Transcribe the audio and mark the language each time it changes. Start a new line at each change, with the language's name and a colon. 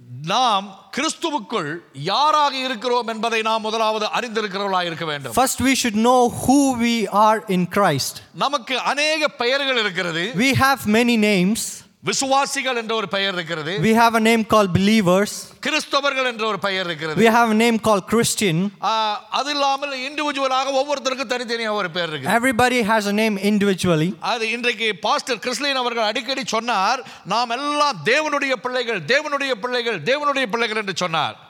Tamil: நாம் கிறிஸ்துவுக்குள் யாராக இருக்கிறோம் என்பதை நாம் முதலாவது அறிந்திருக்கிறவர்களாக இருக்க வேண்டும்.
English: First we should know who we are in Christ.
Tamil: நமக்கு அநேக பெயர்கள் இருக்கிறது.
English: We have many names.
Tamil: விசுவாசிகள் என்ற ஒரு பெயர் இருக்கிறது.
English: We have a name called believers.
Tamil: கிறிஸ்தவர்கள் என்ற ஒரு பெயர் இருக்கிறது.
English: We have a name called Christian.
Tamil: அது இல்லாமல் இண்டிவிஜுவலாக ஒவ்வொருத்தருக்கும் தனித்தனியாக ஒரு பெயர் இருக்கு.
English: Everybody has a name individually.
Tamil: அது இன்றைக்கு பாஸ்டர் கிறிஸ்லின் அவர்கள் அடிக்கடி சொன்னார், நாம் எல்லாம் தேவனுடைய பிள்ளைகள், தேவனுடைய பிள்ளைகள், தேவனுடைய பிள்ளைகள் என்று சொன்னார்.